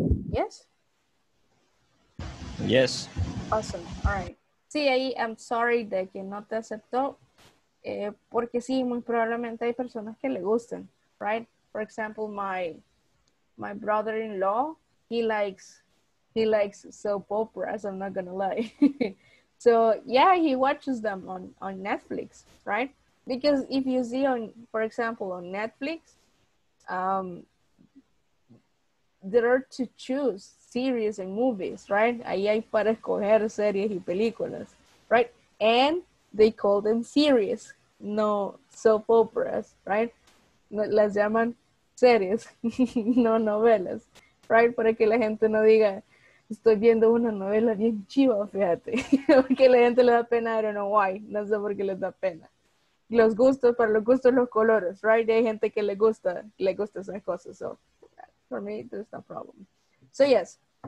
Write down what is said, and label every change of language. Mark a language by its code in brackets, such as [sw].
[en] Yes? Yes. Awesome. All right. [es] Sí, ahí [en] I'm sorry [es] de que no te aceptó. Porque sí, muy probablemente hay personas que le gusten, right? [en] For example, my brother-in-law, he likes soap operas, I'm not gonna lie. So, yeah, he watches them on Netflix, right? Because if you see, for example, on Netflix, there are to choose series and movies, right? [es] Ahí hay para escoger series y películas, right? [en] And they call them series, no soap operas, right? [es] Las llaman series, no novelas, right? Para que la gente no diga, estoy viendo una novela bien chiva, fíjate. Porque la gente le da pena, [en] I don't know why. [es] No sé por qué les da pena. Los gustos, para los gustos, los colores, right? Hay gente que le gusta esas cosas. [en] So, for me, there's no problem. So, yes.